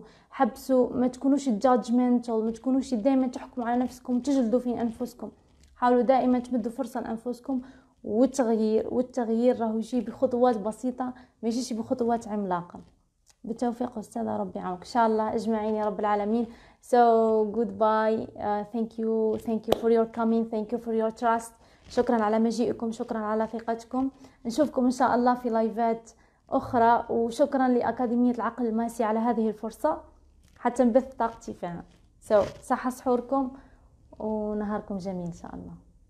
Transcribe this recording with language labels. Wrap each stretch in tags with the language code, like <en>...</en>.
<ar>حبسوا، ما تكونوش judgmental، ما تكونوش دائما تحكموا على نفسكم، تجلدوا في أنفسكم، حاولوا دائما تمدوا فرصة لأنفسكم والتغيير. والتغيير راهو يجي بخطوات بسيطة، ما يجيش بخطوات عملاقة. بالتوفيق أستاذة، ربي يعاونك إن شاء الله أجمعين يا رب العالمين.</ar> <en>So goodbye. Thank you for your coming. Thank you for your trust.</en> <ar>شكرا على مجيئكم، شكرا على ثقتكم. نشوفكم إن شاء الله في لايفات أخرى، وشكرا لأكاديمية العقل الماسي على هذه الفرصة حتى نبث طاقتي فيها. So صحة سحوركم ونهاركم جميل إن شاء الله.</ar>